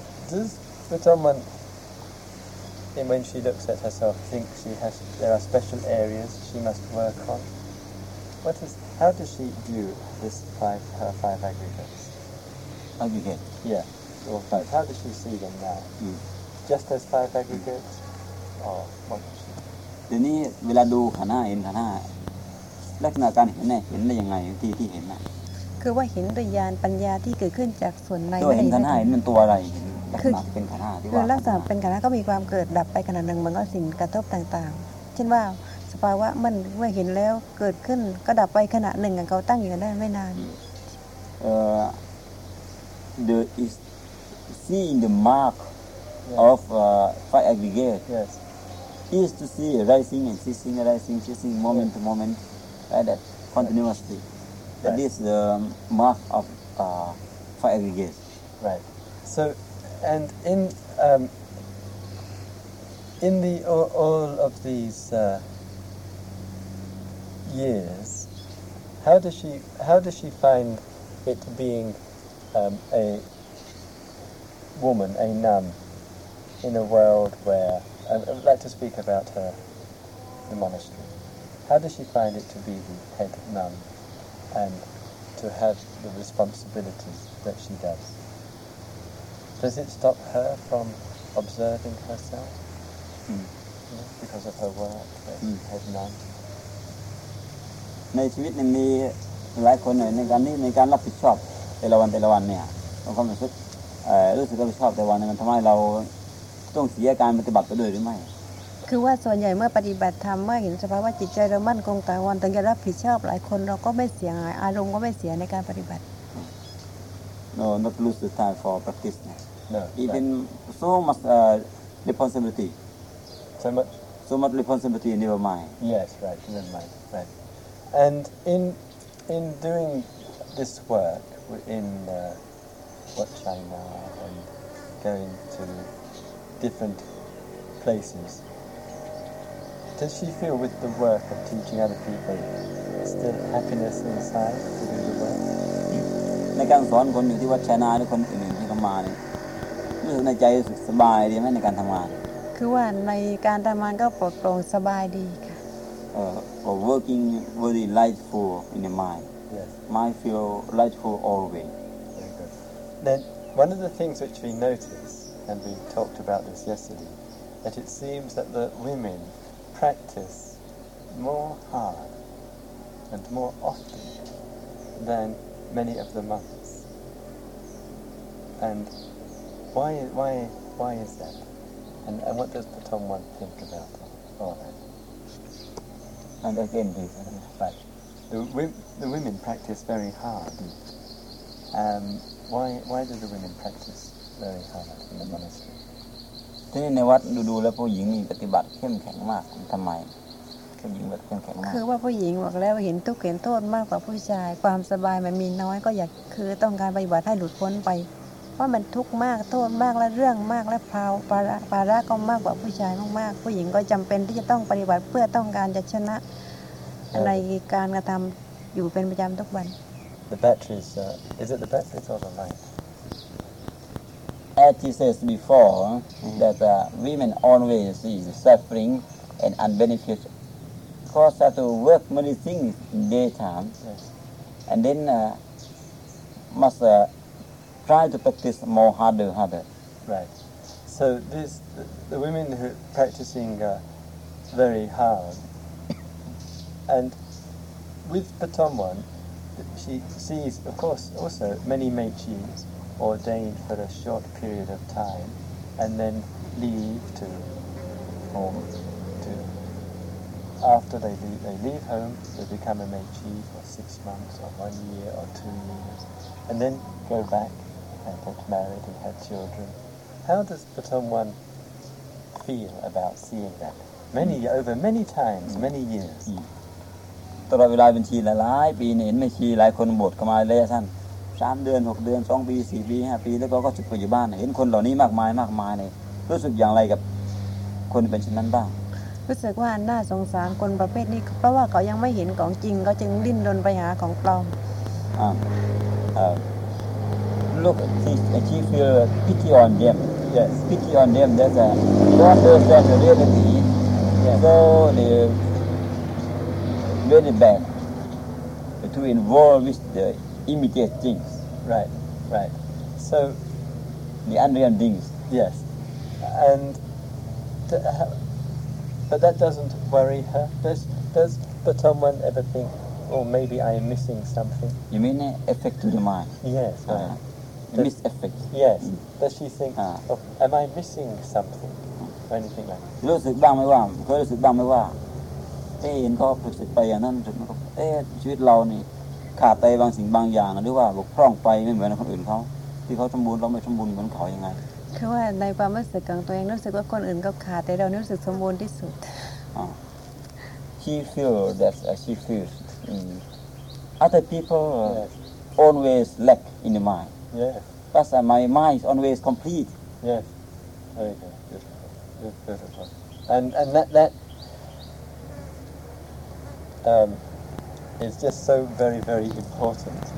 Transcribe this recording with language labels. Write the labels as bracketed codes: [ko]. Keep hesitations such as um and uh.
[en] Does the Dhamman, in when she looks at herself, think she has there are special areas she must work on? What is? How does she view this five her five aggregates? aggregate Yeah, or five. How does she see them now? mm. Just as five aggregates, or what does she? [th] ทียวนี้เวลาดูขันธ์ห้าเห็นขันธ์ห้าลักษณะการเห็นเนี่ยเห็นได้ยังไงที่ที่เห็นนะ คือว่าเห็นด้วยญาณปัญญาที่เกิดขึ้นจากส่วนใน ตัวเห็นขันธ์ห้าเห็นมันตัวอะไรเห็นลักษณะเป็นขันธ์ห้าที่ คือ ว่า ลักษณะเป็นกันนะก็มีความเกิดดับไปขณะหนึ่งเหมือนกับสิ่งกระทบต่างๆ เช่นว่าสภาวะมันเมื่อเห็นแล้วเกิดขึ้นก็ดับไปขณะหนึ่งอะเขาตั้งอยู่ได้ไม่นาน [en] เอ่อ the is seeing the mark Yeah. of uh, five aggregate Yes. is to see rising and ceasing rising ceasing moment to moment like that continuously that Right. is the mark of uh, five aggregate Right. So, and in um, in the all, all of these uh, years, how does she how does she find it being um, a woman, a nun, in a world where I I would like to speak about her, the monastery. How does she find it to be the head nun and to have the responsibilities that she does? Does it stop her from observing herself Mm. you know, because of her work as Mm. head nun? [th] ในชีวิตเนี่ยมีหลายคนเนี่ยในการนี้ในการรับผิดชอบแต่ละวันแต่ละวันเนี่ยเราก็รู้สึกเอ่อรู้สึกรับผิดชอบแต่ละวันเนี่ยมันทำให้เราต้องเสียการปฏิบัติไปด้วยหรือไม่ คือว่าส่วนใหญ่เมื่อปฏิบัติธรรมเมื่อเห็นสภาวะจิตใจเรามั่นคงตาวันตั้งใจรับผิดชอบหลายคนเราก็ไม่เสียหายอารมณ์ก็ไม่เสียในการปฏิบัติ [en] no not lose the time for practice No. no. even so much uh, responsibility so much. so much responsibility never mind Yes, right. Never mind. Right. And in in doing this work w- in uh, what China and going to different places, does she feel with the work of teaching other people still happiness inside to do the work? [th] ในการสอนคนอยู่ที่วัดชยนาหรือคนอื่นๆที่เขามาเนี่ยรู้สึกในใจรู้สึกสบายดีไหมในการทำงาน คือว่าในการทำงานก็ปลอดโปร่งสบายดีค่ะ [en] เอ่อ or working very lightful in the mind Yes. mind feel lightful always Very good. Then, one of the things which we notice, and we talked about this yesterday, that it seems that the women practice more hard and more often than many of the monks. And why, why, why is that? And, and what does the Patomwan think about all that? and again this Right. The, wo- the women practice very hard. Um, why, why do the women practice very hard in the monastery? [th] ที่นี่ในวัดดูๆแล้วผู้หญิงนี่ปฏิบัติเข้มแข็งมากทำไมผู้หญิงแบบเข้มแข็งมาก คือว่าผู้หญิงบอกแล้วเห็นทุกข์เห็นโทษมากกว่าผู้ชาย ความสบายมันมีน้อยก็อยากคือต้องการปฏิบัติให้หลุดพ้นไปว่าะมันทุกข์มากโทษมากและเรื่องมากและพราวภาระภาระก็มากกว่าผู้ชายมากๆ ผู้หญิงก็จำเป็นที่จะต้องปฏิบัติเพื่อต้องการจะชนะในการกระทำอยู่เป็นประจำทุกวัน [en] The batteries, uh, is it the batteries or the light? As she says before, that uh, women always is suffering and unbenefit because they have to work many things in daytime Yes. and then uh, must uh, try to practice more harder, harder. Right. So this, the, the women who are practicing uh, very hard, and with Patamwan, she sees, of course, also many meichis ordained for a short period of time, and then leave to, or to, after they leave, they leave home, they become a meichi for six months or one year or two years, and then go back and get married and have children. How does Patamwan feel about seeing that? Many over many times, many years. [th] ตลอดเวลาเป็นชีหลายๆปีเนี่ยเห็นไม่ชีหลายคนบวชเข้ามาระยะสั้นสามเดือนหกเดือนสองปีสี่ปีห้าปีแล้วก็ก็สึกไปอยู่บ้านเห็นคนเหล่านี้มากมายมากมายเนี่ยรู้สึกอย่างไรกับคนเป็นเช่นนั้นบ้าง รู้สึกว่าน่าสงสารคนประเภทนี้ เพราะว่าเขายังไม่เห็นของจริงเขาจึงดิ้นรนไปหาของปลอม [en] Uh, uh, look, she, she feel pity on them. Yes. Pity on them that uh, don't understand the reality. Yes. So they very bad to involve with the immediate things, Right, right. So the unreal things. yes, and d- ha- but that doesn't worry her. Does does Patamwan ever think, oh, maybe I am missing something? You mean uh, effect to the mind? Yes. Uh, right. the missed effect. Yes. Mm. Does she think, Ah. oh, am I missing something or anything like? that? [th] รู้สึกบ้างไหมว่าเคยรู้สึกบ้างไหมว่าเอ๊ะเห็นเขาฝึกศึกไปอย่างนั้นถึงเอ๊ะชีวิตเรานี่ขาดไปบางสิ่งบางอย่างหรือว่าบกพร่องไปไม่เหมือนคนอื่นเขาที่เขาสมบูรณ์เราไม่สมบูรณ์เหมือนเขายังไง คือว่าในความรู้สึกของตัวเองรู้สึกว่าคนอื่นก็ขาดแต่เรารู้สึกสมบูรณ์ที่สุด [en] อ่า she feel that uh, she feels mm, other people uh, Yes. always lack in the mind Yes. but uh, my mind is always complete Yes. Very good. Beautiful. Yes, Beautiful. And and that that um, is just so very very important.